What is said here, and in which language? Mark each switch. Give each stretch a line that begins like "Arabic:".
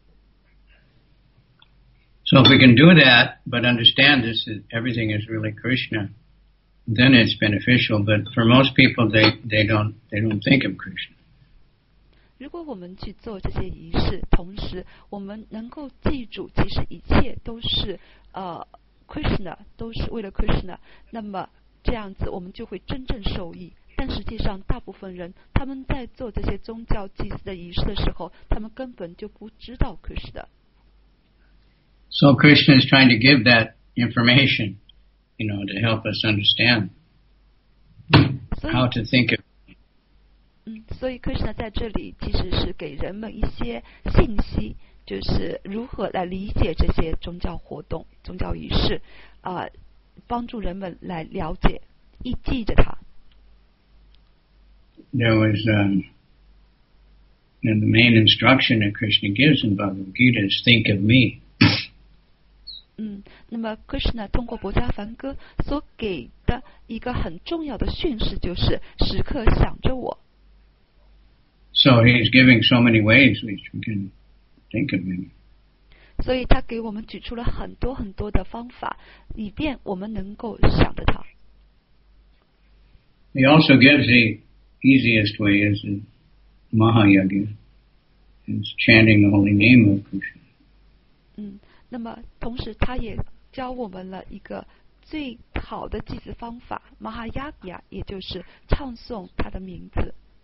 English: if we can do that, but understand this is everything is really Krishna, then it's beneficial. But for most people, they don't think of Krishna.
Chinese: 如果我们去做这些仪式，同时我们能够记住，其实一切都是。 Krishna 都是为了 Krishna， 那么这样子我们就会真正受益。但实际上，大部分人他们在做这些宗教祭祀的仪式的时候，他们根本就不知道 Krishna。
English: So Krishna is trying to give that information, you know, to help us understand how to think of.
Chinese: 所以 Krishna 在这里其实是给人们一些信息，就是如何来理解这些宗教活动、宗教仪式。帮助人们来了解，以记着他。
English: There was the main instruction that Krishna gives in Bhagavad Gita is think of me.
Chinese: 那么 Krishna 通过《博迦梵歌》所给的一个很重要的训示就是时刻想着我。
English: So he's giving so many ways which we can think of him.
Chinese: 所以他给我们举出了很多很多的方法，以便我们能够想得到。
English: He also gives the easiest way is Mahayoga, is chanting the holy name of Krishna.
Chinese: 嗯，那么同时他也教我们了一个最好的祭祀方法 ，Mahayoga， 也就是唱诵他的名字。